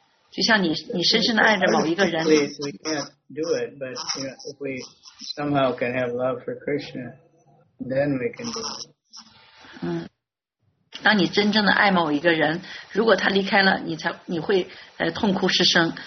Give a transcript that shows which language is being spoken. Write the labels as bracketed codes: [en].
[zh] 就像你深深的爱着某一个人。 [en] We can't do it, but you know, if we somehow can have love for Krishna, then we can do it. [zh] 当你真正的爱某一个人，如果他离开了，你会痛哭失声。